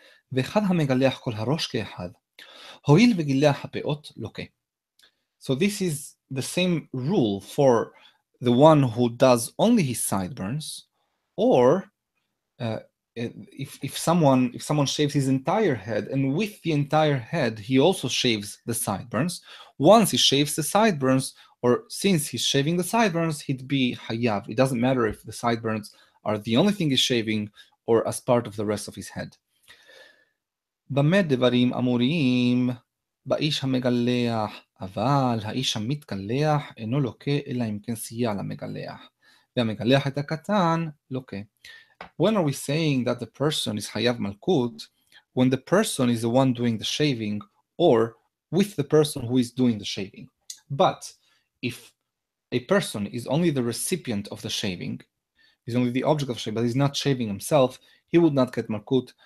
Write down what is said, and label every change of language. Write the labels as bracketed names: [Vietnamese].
[English] So this is the same rule for the one who does only his sideburns, or if someone shaves his entire head, and with the entire head he also shaves the sideburns, once he shaves the sideburns, or since he's shaving the sideburns, he'd be hayav. It doesn't matter if the sideburns are the only thing he's shaving, or as part of the rest of his head. [Hebrew] Bamed devarim amurim ba'ish ha-megaleach. אבל האיש המתגלח אינו לוקה אלא אם כן סייע למגלח. והמגלח את הקטן לוקה. [English] When are we saying that the person is hayav malkut? When the person is the one doing the shaving, or with the person who is doing the shaving. But if a person is only the recipient of the shaving, is only the object of shaving, but he's not shaving himself, he would not get malkut.